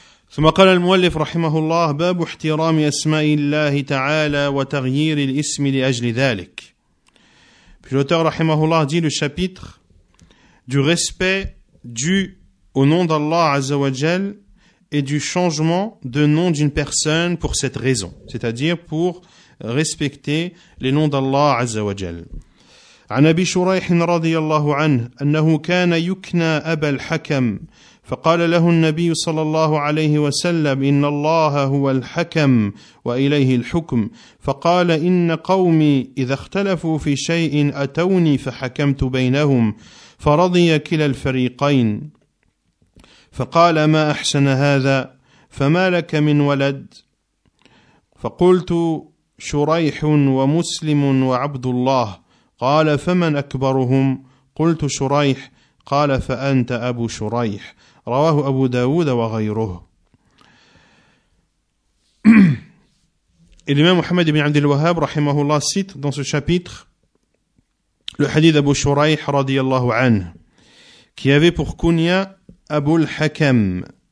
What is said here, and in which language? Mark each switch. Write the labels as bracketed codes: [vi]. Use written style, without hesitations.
[ar] ثم قال المؤلف رحمه الله باب احترام اسماء الله تعالى وتغيير الاسم لأجل ذلك. [fr] Puis l'auteur رحمه الله dit le chapitre du respect dû au nom d'Allah عز وجل et du changement de nom d'une personne pour cette raison, c'est-à-dire pour respecter les noms d'Allah عز وجل. [ar] عن أبي شريح رضي الله عنه أنه كان يكنى أبا الحكم فقال له النبي صلى الله عليه وسلم إن الله هو الحكم وإليه الحكم فقال إن قومي إذا اختلفوا في شيء أتوني فحكمت بينهم فرضي كلا الفريقين فقال ما أحسن هذا فما لك من ولد فقلت شريح ومسلم وعبد الله قال فمن أكبرهم قلت شريح قال فأنت أبو شريح رواه أبو داود وغيره. [fr] الإمام محمد بن عبد الوهاب رحمه الله cite dans ce chapitre le hadith d'Abu Shuraih رضي الله عنه qui avait pour kunya Abu al-Hakam.